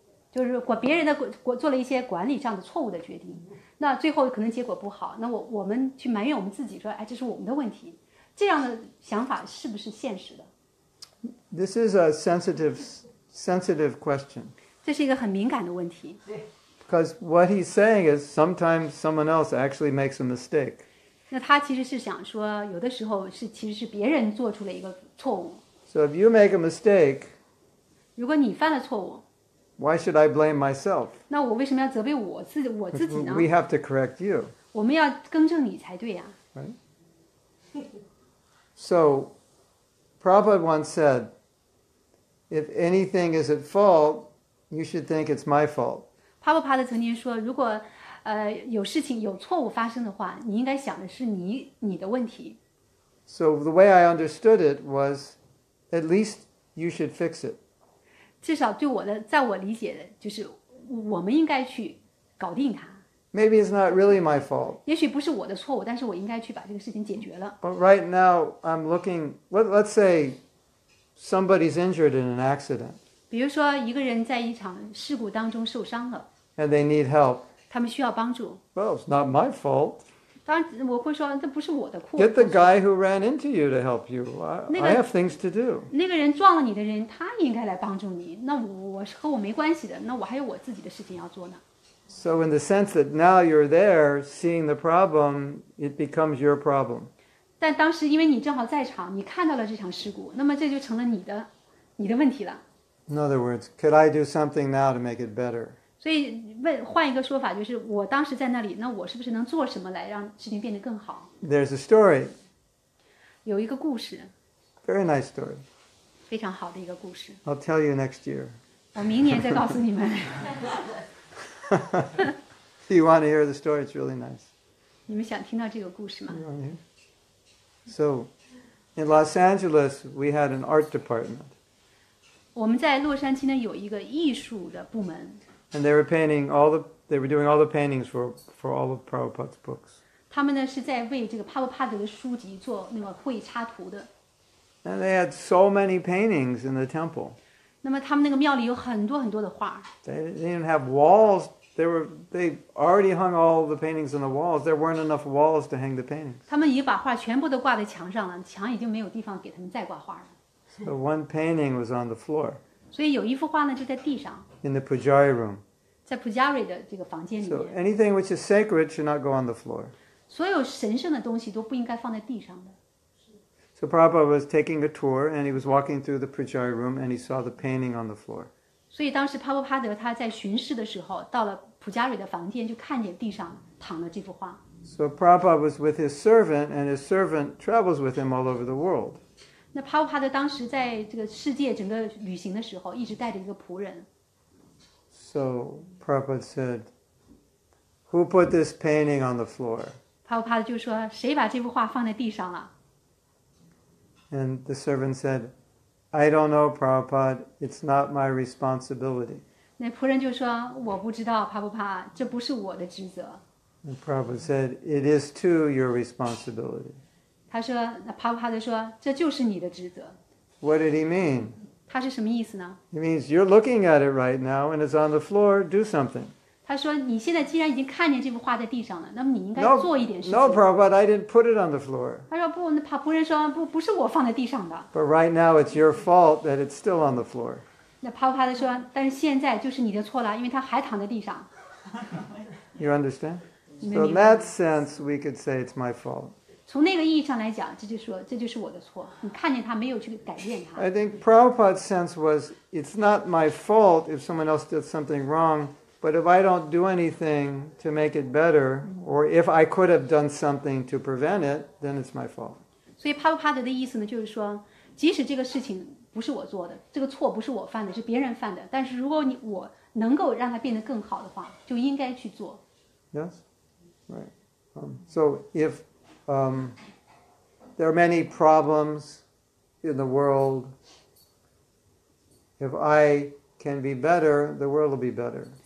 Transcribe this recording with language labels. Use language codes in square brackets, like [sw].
[zh] 就是管别人的做了一些管理上的错误的决定，那最后可能结果不好，那我们去埋怨我们自己，说哎，这是我们的问题，这样的想法是不是现实的？ [en] This is a sensitive question. [zh] 这是一个很敏感的问题。 [en] Because what he's saying is sometimes someone else actually makes a mistake. [zh] 那他其实是想说有的时候是其实是别人做出了一个错误。 [en] So if you make a mistake, [zh] 如果你犯了错误， [en] why should I blame myself? [zh] 那我为什么要责备我自己呢？ [en] We have to correct you. [zh] 我们要更正你才对啊。 [en] Right? So, Prabhupada once said,If anything is at fault, you should think it's my fault. [zh] Prabhupada 曾经说，如果有事情有错误发生的话，你应该想的是你的问题。 [en] So the way I understood it was, at least you should fix it. [zh] 至少对我的，在我理解的就是，我们应该去搞定它。 [en] Maybe it's not really my fault. [zh] 也许不是我的错误，但是我应该去把这个事情解决了。 [en] But right now I'm looking. Let's say. Somebody's injured in an accident. [zh] 比如说一个人在一场事故当中受伤了。 [en] And they need help. [zh] 他们需要帮助。 [en] Well, it's not my fault. [zh] 当然我会说这不是我的错。 [en] Get the guy who ran into you to help you. I have things to do. [zh] 那个人撞了你的人他应该来帮助你。那我和我没关系的，那我还有我自己的事情要做呢。 [en] So in the sense that now you're there seeing the problem, it becomes your problem. [zh] 但当时因为你正好在场，你看到了这场事故，那么这就成了你的问题了。 [en] In other words, could I do something now to make it better? [zh] 所以换一个说法，就是我当时在那里，那我是不是能做什么来让事情变得更好？ [en] There's a story. [zh] 有一个故事。 [en] Very nice story. [zh] 非常好的一个故事。 [en] I'll tell you next year. [zh] 我明年再告诉你们。 [en] Do you want to hear the story? It's really nice. [zh] 你们想听到这个故事吗？ [en] So, in Los Angeles, we had an art department. [zh] 我们在洛杉矶呢有一个艺术的部门。 [en] And they were painting all the, they were doing all the paintings for all of Prabhupada's books. [zh] 他们呢是在为这个帕布帕德的书籍做那个绘插图的。 [en] And they had so many paintings in the temple. [zh] 那么他们那个庙里有很多很多的画。 [en] They didn't have walls. They already hung all the paintings on the walls. There weren't enough walls to hang the paintings. [zh] 他们已把画全部都挂在墙上了，墙已经没有地方给他们再挂画了。 [en] So one painting was on the floor. [zh] 所以有一幅画呢就在地上。 [en] In the pujari room. [zh] 在 pujari 的这个房间里面。 [en] So anything which is sacred should not go on the floor. [zh] 所有神圣的东西都不应该放在地上的。 [en] So Prabhupada was taking a tour, and he was walking through the pujari room, and he saw the painting on the floor. [zh] 所以当时帕布帕德他在巡视的时候，到了普加瑞的房间，就看见地上躺了这幅画。 [en] So Prabhupada was with his servant, and his servant travels with him all over the world. [zh] 那帕布帕德当时在这个世界整个旅行的时候，一直带着一个仆人。 [en] So Prabhupada said, "Who put this painting on the floor?" [zh] 帕布帕德就说，谁把这幅画放在地上了 [en] ？And the servant said. I don't know, Prabhupada. It's not my responsibility. [zh] 那仆人就说：“我不知道，帕布帕，这不是我的职责。” [en] And Prabhupada said, "It is too your responsibility." [zh] 他说：“那帕布帕就说，这就是你的职责。” [en] What did he mean? [zh] 他是什么意思呢？ [en] He means you're looking at it right now, and it's on the floor. Do something. [zh] 他说：“你现在既然已经看见这幅画在地上了，那么你应该做一点事情。” [en] No, Prabhupada, I didn't put it on the floor. [zh] 他说：“不，那仆人说不是我放在地上的。” [en] But right now, it's your fault that it's still on the floor. [zh] 那帕布帕德说：“但是现在就是你的错了，因为它还躺在地上。” [en] You understand? So in that sense, we could say it's my fault. [zh] 从那个意义上来讲，这就是我的错。你看见他没有去改变他。 [en] I think Prabhupada's sense was, it's not my fault if someone else did something wrong. But if I don't do anything to make it better, or if I could have done something to prevent it, then it's my fault. [zh] 所以帕布帕德的意思呢，就是说，即使这个事情不是我做的，这个错不是我犯的，是别人犯的，但是如果我能够让它变得更好的话，就应该去做。 [en] Yes. Right. So if there are many problems in the world, if I can be better, the world will be better.